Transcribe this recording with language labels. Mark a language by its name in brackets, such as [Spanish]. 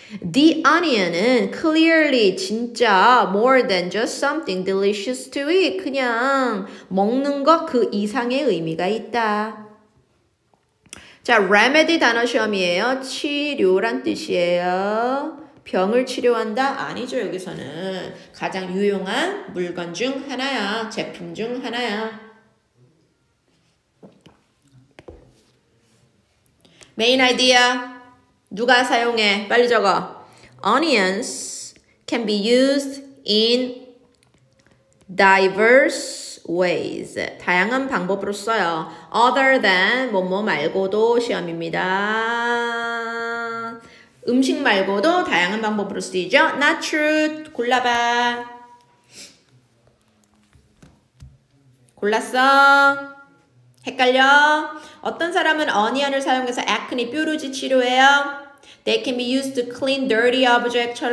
[English] The onion은 clearly 진짜 more than just something delicious to eat. [Korean] 그냥 먹는 것 그 이상의 의미가 있다. 자, remedy 단어 시험이에요. 치료란 뜻이에요. 병을 치료한다? 아니죠, 여기서는. 가장 유용한 물건 중 하나야, 제품 중 하나야. Main idea, 누가 사용해? 빨리 적어. [English] Onions can be used in diverse ways. [Korean] 다양한 방법으로 써요. Other than, 뭐뭐 말고도 시험입니다. 음식 말고도 다양한 방법으로 쓰이죠? [English] Not true. [Korean] 골라봐. 골랐어? 헷갈려? 어떤 사람은 어니언을 사용해서 애크니 뾰루지 치료해요. [English] They can be used to clean dirty objects.